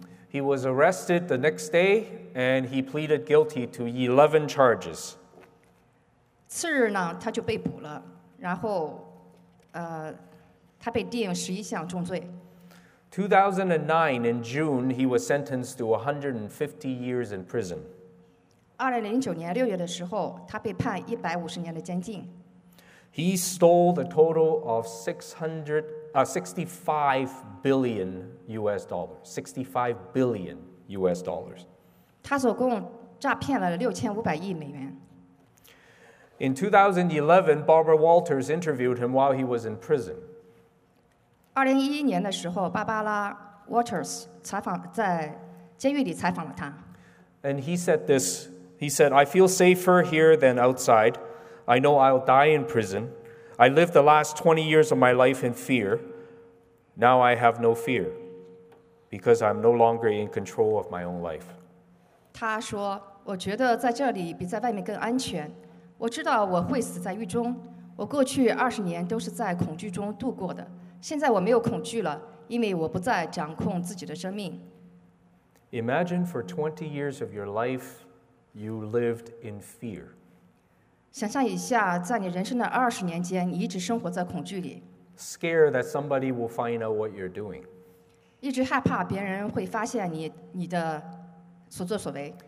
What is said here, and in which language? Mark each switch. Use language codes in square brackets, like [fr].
[en] He was arrested the next day, and he pleaded guilty to 11 charges. [zh] 次日呢, 他就被捕了, 然后, 他被定11项重罪。 [en] 2009, in June, he was sentenced to 150 years in prison. [zh] 2009年6月的时候, 他被判150年的监禁。 [en] He stole a total of 65 billion US dollars. [zh] 他总共诈骗了6500亿美元。 [en] In 2011, Barbara Walters interviewed him while he was in prison. [zh] 2011年的时候, Barbara Walters 在监狱里采访了他。 [en] And he said this, he said, I feel safer here than outside. I know I'll die in prison. I lived the last 20 years of my life in fear. Now I have no fear, because I'm no longer in control of my own life. [zh] 他说, 我觉得在这里比在外面更安全, 我知道我会死在狱中, 我过去20年都是在恐惧中度过的, 现在我没有恐惧了, 因为我不再掌控自己的生命。 [en] Imagine for 20 years of your life, you lived in fear. [zh] 想象一下, 在你人生的20年间, 你一直生活在恐惧里。 [en] Scared that somebody will find out what you're doing. [zh] 一直害怕别人会发现你, 你的所作所为。